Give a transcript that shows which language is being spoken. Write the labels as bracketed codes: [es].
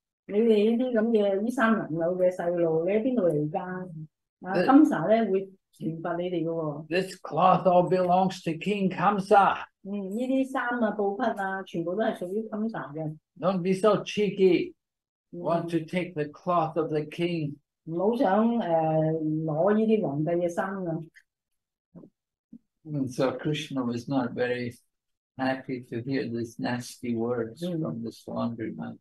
[yue] 你哋呢啲咁嘅衣衫褴褛嘅細路，你喺邊度嚟㗎？啊，Kamsa咧會懲罰你哋嘅喎。 [en] This cloth all belongs to King Kamsa. [yue] 嗯，呢啲衫啊、布匹啊，全部都係屬於Kamsa嘅。 [en] Don't be so cheeky. Want to take the cloth of the king? [yue] 唔好想攞呢啲皇帝嘅衫啊。 [en] And so Krishna was not very happy to hear these nasty words from this laundry man.